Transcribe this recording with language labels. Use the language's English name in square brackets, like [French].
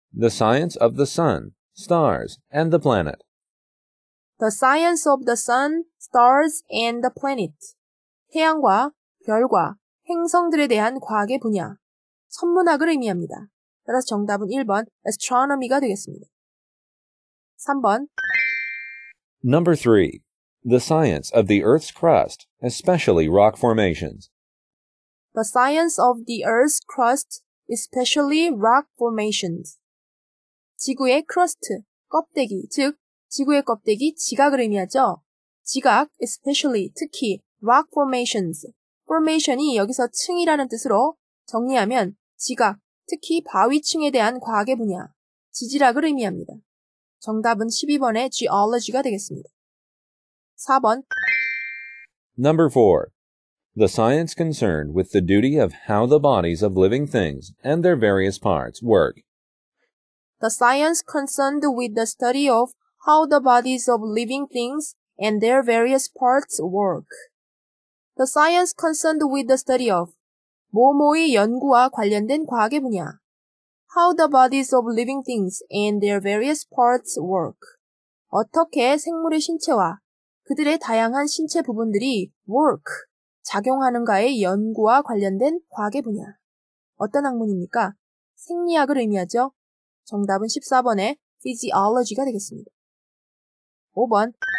[English] The science of the sun, stars, and the planet. The science of the sun, stars, and the planet. [Korean] 태양과 별과 행성들에 대한 과학의 분야, 천문학을 의미합니다. 따라서 정답은 1번 Astronomy가 되겠습니다. 3번 [English] Number 3. The science of the Earth's crust, especially rock formations. The science of the Earth's crust, especially rock formations. [Korean] 지구의 크러스트, 껍데기, 즉 지구의 껍데기, 지각을 의미하죠. [English] 지각, especially, 특히 rock formations. [Korean] Formation이 여기서 층이라는 뜻으로 정리하면 지각, 특히 바위층에 대한 과학의 분야, 지질학을 의미합니다. 정답은 12번의 geology가 되겠습니다. 4번 [English] Number 4. The science concerned with the duty of how the bodies of living things and their various parts work. The science concerned with the study of how the bodies of living things and their various parts work. The science concerned with the study of [Korean] 뭐뭐의 연구와 관련된 과학의 분야. [English] How the bodies of living things and their various parts work. [Korean] 어떻게 생물의 신체와 그들의 다양한 신체 부분들이 work, 작용하는가의 연구와 관련된 과학의 분야. 어떤 학문입니까? 생리학을 의미하죠? 정답은 14번의 physiology가 되겠습니다. 5번